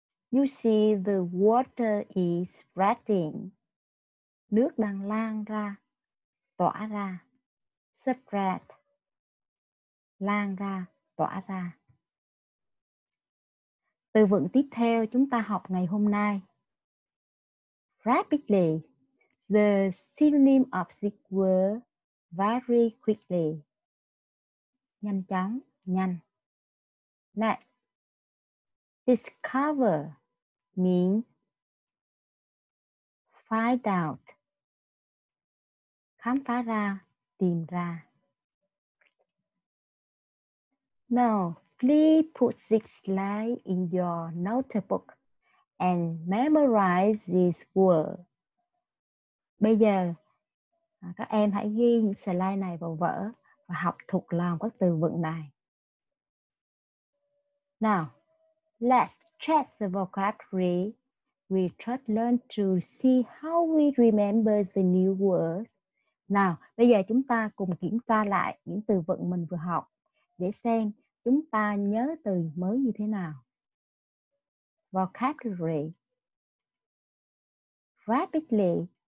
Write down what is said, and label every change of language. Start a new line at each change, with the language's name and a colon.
English: You see the water is spreading.
Vietnamese: Nước đang lan ra, tỏa ra, spread, lan ra, tỏa ra. Từ vựng tiếp theo chúng ta học ngày hôm nay.
English: Rapidly, the synonym of this word, very quickly.
Vietnamese: Nhanh chóng, nhanh.
English: Next, discover means find out.
Vietnamese: Khám phá ra, tìm ra.
English: Now, please put this slide in your notebook and memorize this word.
Vietnamese: Bây giờ, các em hãy ghi những slide này vào vở và học thuộc lòng các từ vựng này.
English: Now, let's check the vocabulary we just learned to see how we remember the new words.
Vietnamese: Nào, bây giờ chúng ta cùng kiểm tra lại những từ vựng mình vừa học để xem chúng ta nhớ từ mới như thế nào.
English: Vocabulary. Rapidly.